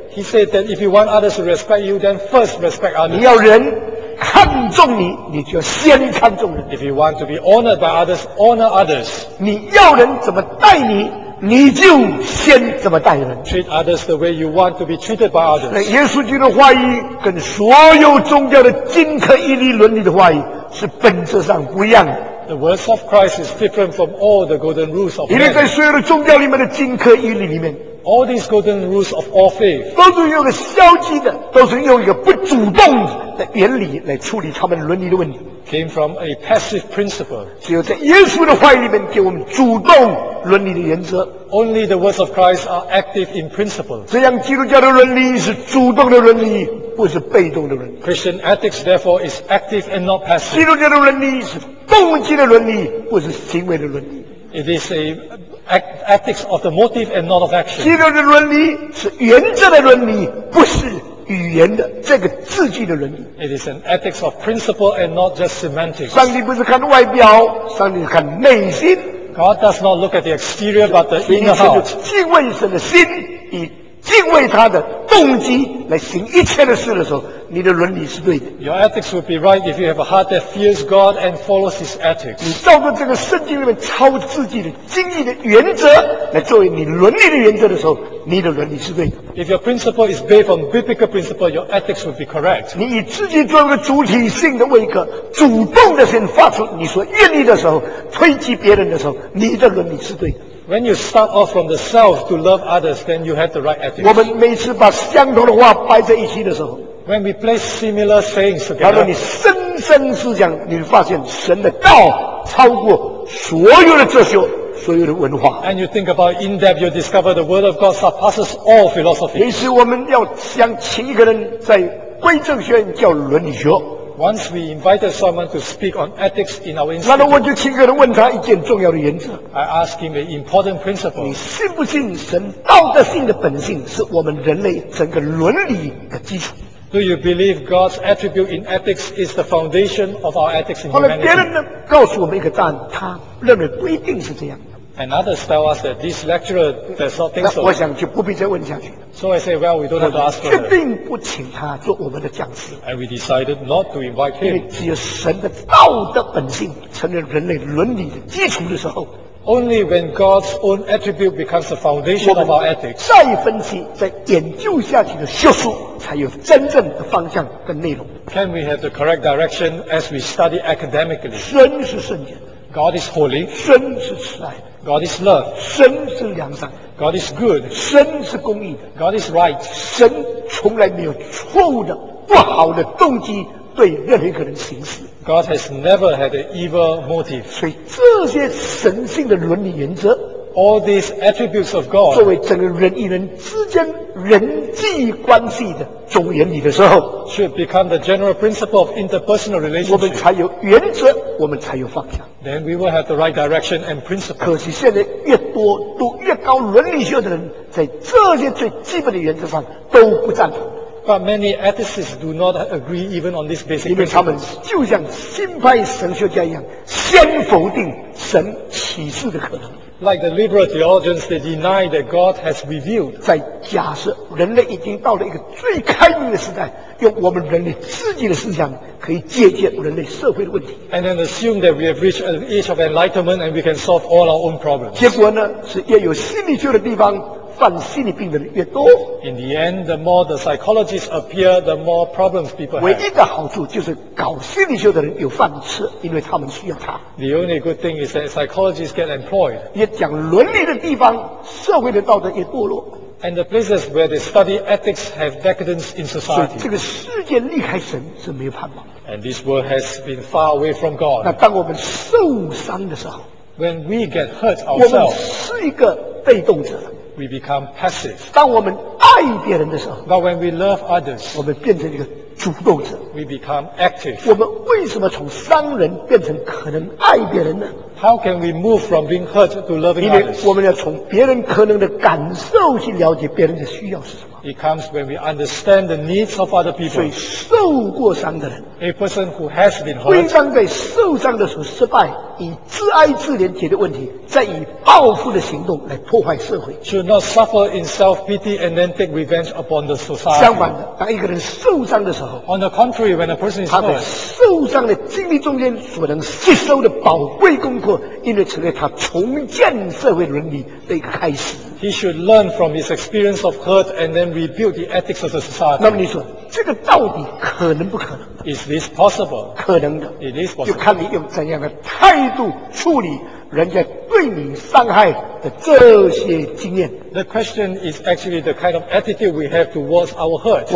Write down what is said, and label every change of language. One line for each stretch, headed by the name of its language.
English: He said that if you want others to respect you, then first respect others.
Chinese: 你要人看重你，你就先看重人。
English: If you want to be honored by others, honor others.
Chinese: 你要人怎么待你？你就先怎么待人
English: ？Treat others the way you want to be treated by others。
Chinese: 耶稣基督的话语跟所有宗教的金科一律伦理的话语是本质上不一样的。
English: The words of Christ is different from all the golden rules of faith。
Chinese: 因为在所有的宗教里面的金科一律里面
English: ，all these golden rules of all faith
Chinese: 都是用一个消极的，都是用一个不主动的原理来处理他们伦理的问题。
English: Came from a passive principle.
Chinese: 只有在耶稣的话语里面给我们主动伦理的原则。
English: Only the words of Christ are active in principle.
Chinese: 这样基督教的伦理是主动的伦理，不是被动的伦理。
English: Christian ethics therefore is active and not passive.
Chinese: 基督教的伦理是动机的伦理，不是行为的伦理。 It is a ethics of the motive and not of action. 基督的伦理是原则的伦理，不是。语言的这个字句的伦理。
English: It is an ethics of principle and not just semantics.
Chinese: 上帝不是看外表，上帝是看内心。
English: God does not look at the exterior but the inner heart.
Chinese: 所以你敬畏神的心，以敬畏他的动机来行一切的事的时候，你的伦理是对的。
English: Your ethics would be right if you have a heart that fears God and follows His ethics.
Chinese: 你照着这个圣经里面超自己的经义的原则来作为你伦理的原则的时候，你的伦理是对的。
English: If your principle is based on biblical principle, your ethics would be correct.
Chinese: 你以自己作为主体性的位格，主动的先发出你所愿意的时候，推及别人的时候，你的伦理是对的。
English: When you start off from the self to love others, then you have the right ethics.
Chinese: 我们每次把相同的话摆在一起的时候，
English: When we place similar sayings together,
Chinese: 然后你深深思想，你会发现神的道超过所有的哲学，所有的文化。
English: And you think about in depth, you discover the word of God surpasses all philosophy.
Chinese: 每次我们要想请一个人在归正学院教伦理学。
English: Once we invited someone to speak on ethics in our institute,
Chinese: 然后我就亲口地问他一件重要的原则。
English: I ask him an important principle.
Chinese: 你信不信神道德性的本性是我们人类整个伦理的基础？
English: Do you believe God's attribute in ethics is the foundation of our ethics in humanity?
Chinese: 后来别人呢告诉我们一个答案，他认为不一定是这样。
English: And others tell us that this lecturer does not think so.
Chinese: 那我想就不必再问下去。
English: So I say, well, we don't have to ask for him.
Chinese: 确定不请他做我们的讲师。
English: And we decided not to invite him.
Chinese: 因为只有神的道德本性成为人类伦理的基础的时候。
English: Only when God's own attribute becomes the foundation of our ethics.
Chinese: 再分析、再研究下去的学术，才有真正的方向跟内容。
English: Can we have the correct direction as we study academically?
Chinese: 神是圣洁。
English: God is holy.
Chinese: 神是慈爱。
English: God is love.
Chinese: 神是良善。
English: God is good.
Chinese: 神是公义的。
English: God is right.
Chinese: 神从来没有错误的、不好的动机对任何一个人行事。
English: God has never had an evil motive.
Chinese: 所以这些神性的伦理原则
English: ，All these attributes of God，
Chinese: 作为整个人与人之间人际关系的总原理的时候
English: ，should become the general principle of interpersonal relationship.
Chinese: 我们才有原则，我们才有方向。
English: Then we will have the right direction and principle.
Chinese: 可惜现在越多读越高伦理学的人，在这些最基本的原则上都不赞同。
English: But many ethicists do not agree even on this basic principle.
Chinese: 因为他们就像新派神学家一样，先否定神启示的可能。
English: Like the liberal theologians, they deny that God has revealed.
Chinese: 在假设人类已经到了一个最开明的时代，用我们人类自己的思想可以解决人类社会的问题。
English: And then assume that we have reached an age of enlightenment and we can solve all our own problems.
Chinese: 结果呢，是越有心理学的地方，犯心理病的人越多。
English: In the end, the more the psychologists appear, the more problems people have.
Chinese: 唯一的好处就是搞心理学的人有饭吃，因为他们需要他。
English: The only good thing is that psychologists get employed.
Chinese: 也讲伦理的地方，社会的道德也堕落。
English: And the places where they study ethics have decadence in society.
Chinese: 所以这个世界离开神是没有盼望。
English: And this world has been far away from God.
Chinese: 那当我们受伤的时候
English: ，When we get hurt ourselves,
Chinese: 我们是一个被动者。
English: We become passive.
Chinese: 当我们爱别人的时候
English: ，But when we love others,
Chinese: 我们变成一个主动者。
English: We become active.
Chinese: 我们为什么从伤人变成可能爱别人呢
English: ？How can we move from being hurt to loving others?
Chinese: 因为我们要从别人可能的感受去了解别人的需要是什么。
English: It comes when we understand the needs of other people.
Chinese: 所以受过伤的人
English: ，A person who has been hurt,
Chinese: 非常被受伤的时候失败。以自哀自怜解决问题，再以报复的行动来破坏社会。
English: Should not suffer in self-pity and then take revenge upon the society.
Chinese: 相反的，当一个人受伤的时候
English: ，On the contrary, when a person is hurt,
Chinese: 他在受伤的经历中间所能吸收的宝贵功课，因为成为他重建社会伦理的一个开始。
English: He should learn from his experience of hurt and then rebuild the ethics of the society.
Chinese: 那么你说，这个到底可能不可能？
English: Is this possible?
Chinese: 可能的。
English: It is possible.
Chinese: 就看你用怎样的态度处理人家对你伤害的这些经验。
English: The question is actually the kind of attitude we have towards our hurt.